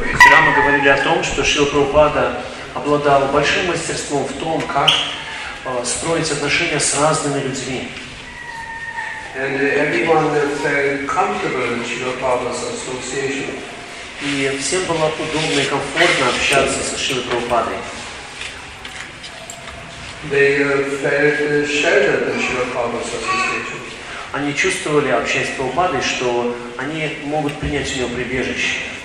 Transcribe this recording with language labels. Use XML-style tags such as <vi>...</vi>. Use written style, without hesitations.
<ru>Рама говорили о том, что Шрила Прабхупада обладал большим мастерством в том, как строить отношения с разными людьми.</ru> <en>And everyone felt comfortable in Srila Prabhupada's association.</en> <ru>И всем было удобно и комфортно общаться со Шрилой Прабхупадой.</ru> <en>They felt sheltered in Srila Prabhupada's association.</en> <ru>Они чувствовали, общаясь с Прабхупадой, что они могут принять у него прибежище.</ru>